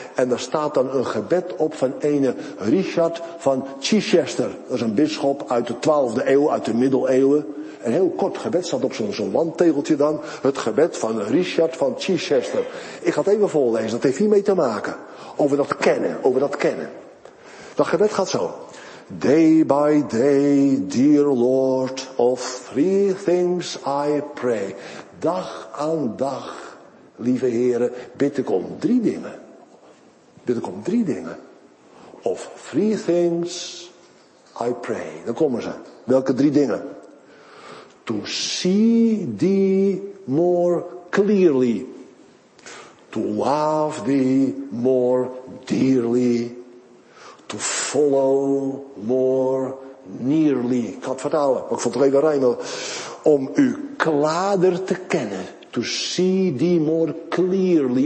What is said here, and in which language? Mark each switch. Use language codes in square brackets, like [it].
[nl] En daar staat dan een gebed op van ene Richard van Chichester. Dat is een bisschop uit de 12e eeuw, uit de middeleeuwen. Een heel kort gebed staat op zo'n wandtegeltje dan. Het gebed van Richard van Chichester. Ik ga het even voorlezen, dat heeft hiermee te maken. Over dat kennen. Dat gebed gaat zo. [en] Day by day, dear Lord, of three things I pray. [nl] Dag aan dag, lieve heren, bid ik om drie dingen. Bid ik om drie dingen. [en] Of three things I pray. [nl] Dan komen ze. Welke drie dingen? [en] To see thee more clearly. To love thee more dearly. To follow more nearly. [nl] Ik ga het vertalen, maar ik vond het even rijmen. Om u klaarder te kennen. [en] To see thee more clearly.